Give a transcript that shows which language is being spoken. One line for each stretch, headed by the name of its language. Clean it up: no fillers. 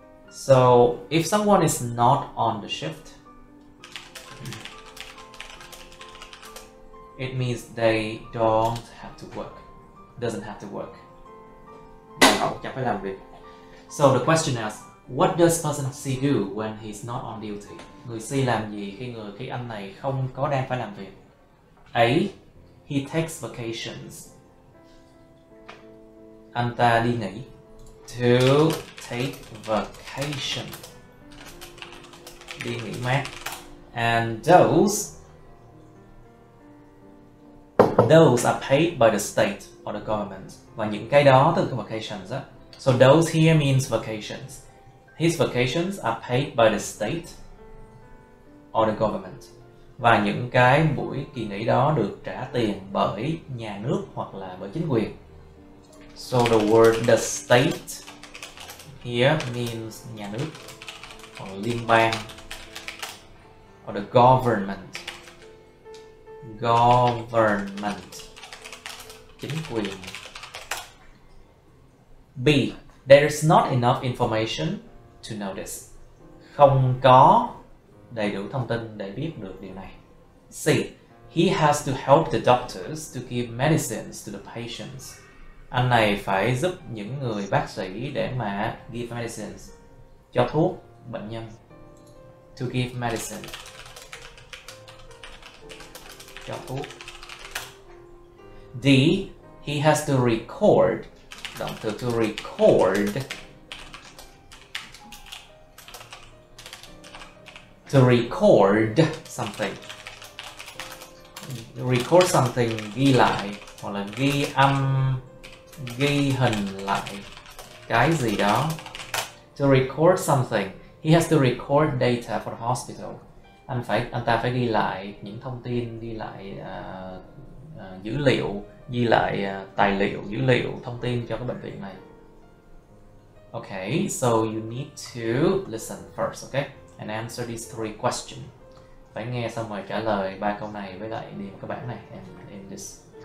English: So if someone is not on the shift, it means they don't have to work. Doesn't have to work.
Vietnamese: Chẳng phải làm việc.
English: So the question is, what does person C do when he's not on duty?
Vietnamese: Người C làm gì khi anh này không có đang phải làm việc?
English: A. He takes vacations.
Vietnamese: anh ta đi nghỉ.
English: To take vacation.
Vietnamese: Đi nghỉ mát.
English: And those are paid by the state or the government.
Vietnamese: Và những cái đó từ cái vacations á.
English: So those here means vacations. His vacations are paid by the state or the government.
Vietnamese: Và những cái buổi kỳ nghỉ đó được trả tiền bởi nhà nước hoặc là bởi chính quyền.
English: So the word the state here means
Vietnamese: nhà nước hoặc liên bang.
English: Or the government. Government.
Vietnamese: Chính quyền.
English: B. There is not enough information to know this.
Vietnamese: Không có đầy đủ thông tin để biết được điều này.
English: C. He has to help the doctors to give medicines to the patients.
Vietnamese: Anh này phải giúp những người bác sĩ để mà
English: give medicines,
Vietnamese: cho thuốc bệnh nhân.
English: To give medicine.
Vietnamese: Cho thuốc.
English: D. He has to record.
Vietnamese: Động từ
English: to record. To record something. Record something,
Vietnamese: ghi lại, hoặc là ghi âm, ghi hình lại cái gì đó.
English: To record something, he has to record data for the hospital.
Vietnamese: Anh ta phải ghi lại những thông tin, ghi lại dữ liệu, ghi lại tài liệu, dữ liệu, thông tin cho cái bệnh viện này.
English: Okay, so you need to listen first, okay? And answer these three questions.
Vietnamese: Phải nghe xong rồi trả lời ba câu này với lại điền các bạn này
English: in this.